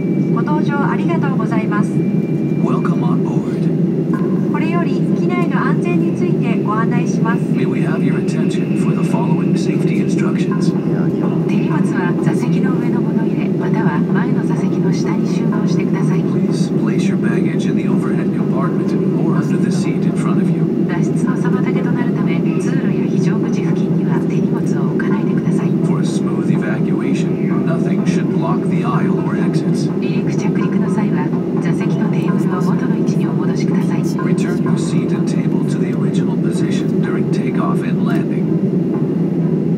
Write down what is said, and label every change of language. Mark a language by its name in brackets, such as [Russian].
[Japanese] ご搭乗ありがとうございます。 [English] Welcome on board. [Japanese] これより機内の安全についてご案内します。 [English] May we have your attention for the following safety instructions? [Japanese] 手荷物は座席の上のものまたは前の座席のの下に収納してください。 [English] Please place your baggage in the overhead compartment or under the seat in front of you. [Japanese] 脱出の妨げとなるため、通路や非常口付近には手荷物を置かないでください。 [English] For a smooth evacuation, nothing should block the aisle or exits. [Japanese] 離陸着陸の際は、座席のテーブルを元の位置にお戻しください。 [English] Return your seat and table to the original position during takeoff and landing.